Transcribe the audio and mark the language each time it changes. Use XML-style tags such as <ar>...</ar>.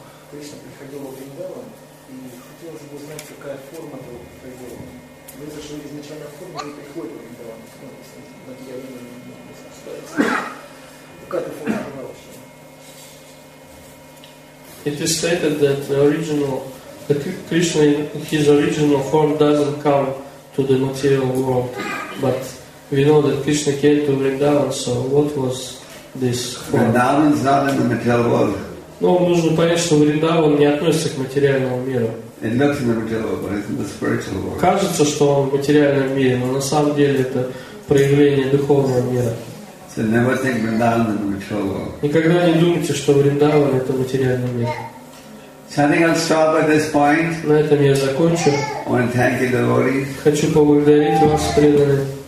<ru>Кришна приходил в Вриндаван, и хотелось бы узнать, какая форма этого приходила. Вы зашли изначально в форму, и приходит в Вриндаван. Какая-то форма была вообще?</ru> <en>It is stated that the original, that Krishna in his original form doesn't come to the material world, but we know that Krishna came to Vrindavan, so what was this form? Vrindavan is not in the material world.</en> <ru>Ну, нужно понять, что Вриндаван не относится к материальному миру.</ru> <en>It looks in the material world, but it's in the spiritual world.</en> <ru>Кажется, что он в материальном мире, но на самом деле это проявление духовного мира.</ru> <en>So never think Vrindavan is in the material world.</en> <ru>Никогда не думайте, что Вриндаван это материальный мир.</ru> <en>So I think I'll stop at this point.</en> <ru>На этом я закончу.</ru> <en>I want to thank you, devotees.</en> <ru>Хочу поблагодарить вас, преданные.</ru>